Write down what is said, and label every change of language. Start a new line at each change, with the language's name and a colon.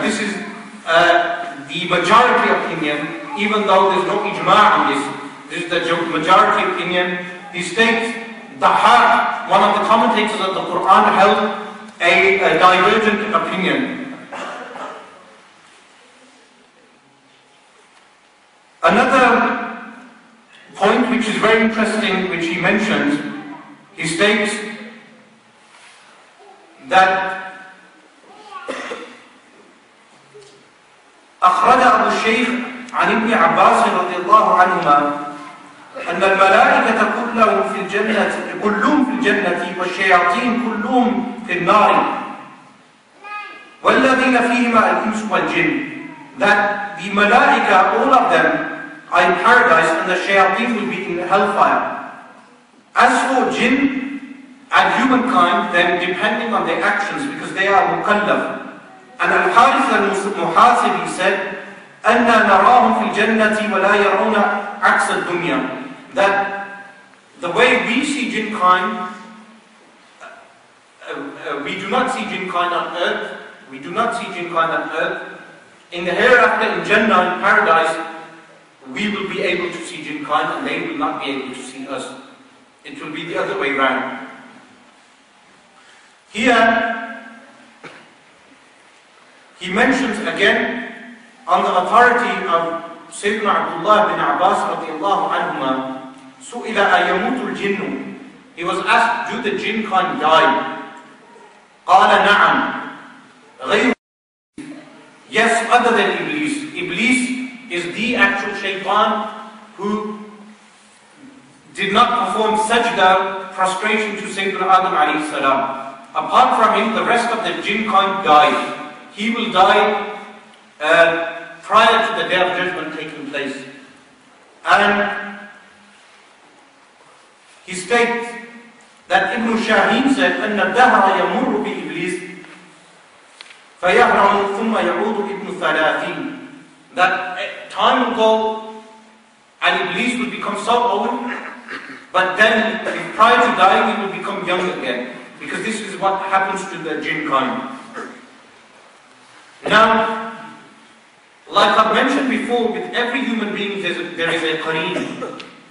English: This is the majority opinion, even though there's no ijma' on this. This is the majority opinion. He states, Dahar, one of the commentators of the Qur'an, held a divergent opinion. Another point which is very interesting, which he mentions, he states that
Arabic: أخرج أبو الشيخ عن ابن عباس رضي الله عنهما أن الملائكة كلهم في الجنة كلهم في الجنة والشياطين كلهم في النار والذين فيهما الإنس والجن.
English: That the malaika, all of them, are in paradise and the shayateen will be in the hellfire. As for jinn and humankind, then depending on their actions, because they are mukallaf. And Al-Harith al-Muhasibi said,
Arabic: أَنَّا نَرَاهُمْ فِي الْجَنَّةِ وَلَا يَرَوْنَا عَكْسَ الدُّنْيَا.
English: That the way we see jinn kind, we do not see jinn kind on earth, we do not see jinn kind on earth. In the hereafter, in Jannah, in paradise, we will be able to see jinn kind and they will not be able to see us. It will be the other way around. Here, he mentions again on the authority of Sayyidina Abdullah bin Abbas radiallahu anhuma,
Arabic: سُئِلَ أَيَمُوتُ الْجِنُّ.
English: He was asked, do the jinn kind die?
Arabic: قَالَ نَعَمْ.
English: Yes, other than Iblis. Iblis is the actual shaytan who did not perform sajda, prostration to Sayyidina Adam alayhi salam. Apart from him, the rest of the jinn kind died. He will die prior to the day of judgment taking place. And he states that Ibn Shaheen said,
Arabic: أن الدهر يمر بإبليس فيهرم ثم يعود ابن ثلاثين.
English: That time will go and Iblis will become so old, but then prior to dying he will become young again. Because this is what happens to the jinn kind. Now, like I've mentioned before, with every human being there is a qareen.